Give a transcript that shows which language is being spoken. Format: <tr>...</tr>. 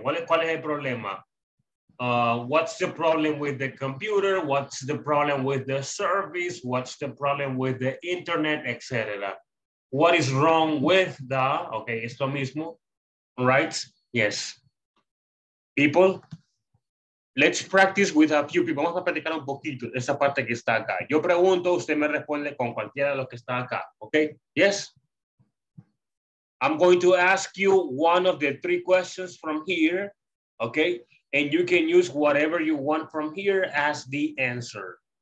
<es>¿Cuál es el problema?</es> <en>What's the problem with the computer? What's the problem with the service? What's the problem with the internet, etc.? What is wrong with the, okay,</en> <es>es lo mismo,</es> <en>right? Yes. People, Let's practice with a few people.</en> <es>Vamos a practicar un poquito esa parte que está acá. Yo pregunto, usted me responde con cualquiera de los que está acá.</es> <en>Okay? Yes? I'm going to ask you one of the three questions from here. Okay? And you can use whatever you want from here as the answer.</en>